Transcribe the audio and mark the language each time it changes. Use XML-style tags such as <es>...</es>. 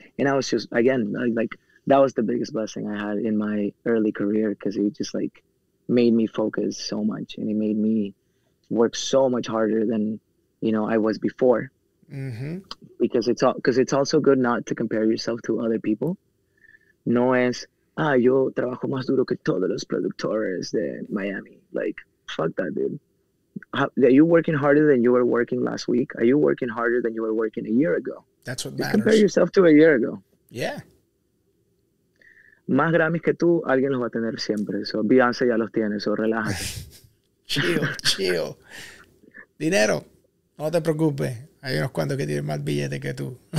<en>And I was just, again, like that was the biggest blessing I had in my early career because it just like made me focus so much and it made me work so much harder than, you know, I was before. Because it's also good not to compare yourself to other people.</en> <es>No es, ah, yo trabajo más duro que todos los productores de Miami. Like,</es> <en>fuck that, dude. Are you working harder than you were working last week? Are you working harder than you were working a year ago? That's what matters. Compare yourself to a year ago. Yeah.</en> <es>Más Grammys que tú, alguien los va a tener siempre. So Beyoncé ya los tiene, so relájate. chill. Dinero, no te preocupes. Hay unos cuantos que tienen más billetes que tú.</es>